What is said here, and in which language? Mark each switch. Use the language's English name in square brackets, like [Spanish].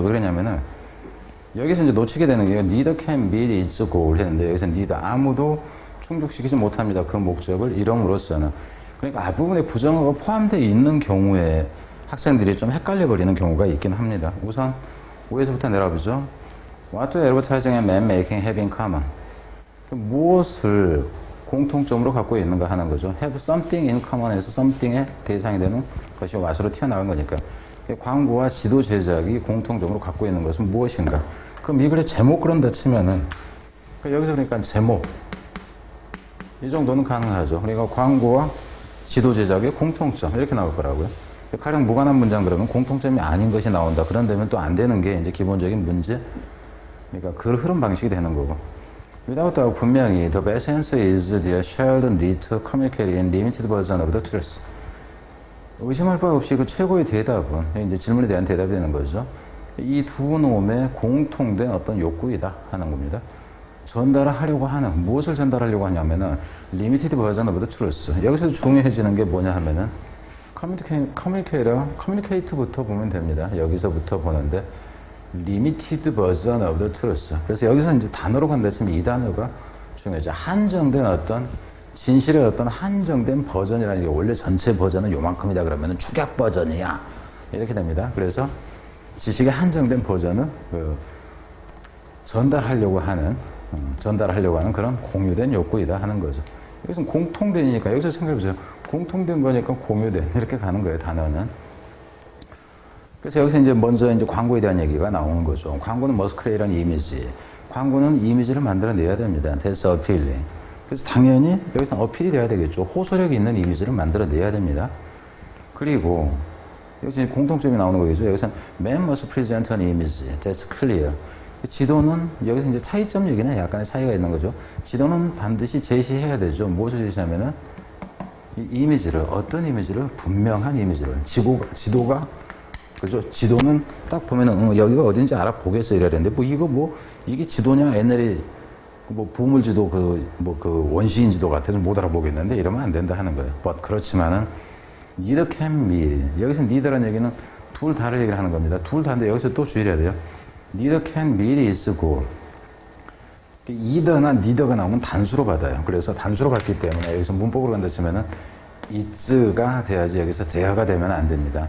[Korean] 왜냐면은 여기서 이제 놓치게 되는 게 [English] neither can meet its goal [Korean] 했는데 여기서 neither 아무도 충족시키지 못합니다. 그 목적을 이름으로써는. 그러니까 앞부분에 부정어가 포함되어 있는 경우에 학생들이 좀 헷갈려버리는 경우가 있긴 합니다. 우선 5에서부터 내려가보죠. [English] What do advertising and man-making have in common? [Korean] 무엇을 공통점으로 갖고 있는가 하는 거죠. Have something in common에서 something의 대상이 되는 것이 와서로 튀어나온 거니까. 광고와 지도 제작이 공통점으로 갖고 있는 것은 무엇인가. 그럼 이 글의 제목 그런다 치면은 여기서 그러니까 제목 이 정도는 가능하죠. 그러니까 광고와 지도 제작의 공통점 이렇게 나올 거라고요. 가령 무관한 문장 그러면 공통점이 아닌 것이 나온다. 그런다면 또 안 되는 게 이제 기본적인 문제. 그러니까 글 흐름 방식이 되는 거고. [English] Without doubt, [Korean] 분명히 [English] the best answer is the shared need to communicate in limited version of the truth. [Korean] 의심할 바 없이 그 최고의 대답은 이제 질문에 대한 대답이 되는 거죠. 이 두 놈의 공통된 어떤 욕구이다 하는 겁니다. 전달하려고 하는 무엇을 전달하려고 하냐면은 [English] limited version of the truth. [Korean] 여기서 중요해지는 게 뭐냐 하면은 communicate부터 보면 됩니다. 여기서부터 보는데. [English] Limited version of the truth. [Korean] 그래서 여기서 이제 단어로 간다 치면 이 단어가 중요하죠. 한정된 어떤 진실의 어떤 한정된 버전이라는 게 원래 전체 버전은 요만큼이다 그러면 축약 버전이야 이렇게 됩니다. 그래서 지식의 한정된 버전은 그 전달하려고 하는 그런 공유된 욕구이다 하는 거죠. 여기서 공통된이니까 여기서 생각해보세요. 공통된 거니까 공유된 이렇게 가는 거예요. 단어는. 그래서 여기서 이제 먼저 이제 광고에 대한 얘기가 나오는 거죠. 광고는 [English] must create an image. [Korean] 광고는 이미지를 만들어내야 됩니다. [English] That's appealing. [Korean] 그래서 당연히 여기서 어필이 돼야 되겠죠. 호소력 있는 이미지를 만들어내야 됩니다. 그리고 여기서 이제 공통점이 나오는 거겠죠. [English] 여기서 man must present an image. That's clear. [Korean] 지도는 여기서 이제 차이점 얘기는 약간의 차이가 있는 거죠. 지도는 반드시 제시해야 되죠. 무엇을 제시하면은 이 이미지를, 어떤 이미지를, 분명한 이미지를, 지도가 그죠? 지도는 딱 보면은, 여기가 어딘지 알아보겠어. 이래야 되는데, 이게 지도냐? 옛날에, 보물지도, 원시인 지도 같아서 못 알아보겠는데, 이러면 안 된다 하는 거예요. [English] But, [Korean] 그렇지만은, [English] neither can be. [Korean] 여기서 neither란 얘기는 둘 다를 얘기를 하는 겁니다. 둘 다인데, 여기서 또 주의해야 돼요. [English] neither can be is goal. [Korean] either나 neither가 나오면 단수로 받아요. 그래서 단수로 받기 때문에, 여기서 문법으로 간다 치면은, is가 돼야지 여기서 there가 되면 안 됩니다.